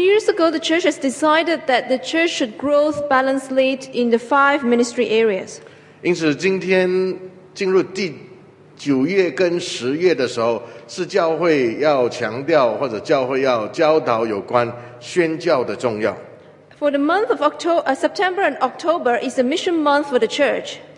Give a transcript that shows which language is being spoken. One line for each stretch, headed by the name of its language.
English: years ago, the church has decided that the church should grow balancedly in the five ministry areas.
Chinese: 因此，今天进入第九月跟十月的时候，是教会要强调或者教会要教导有关。
English: For the month of September and October is a mission month for the church.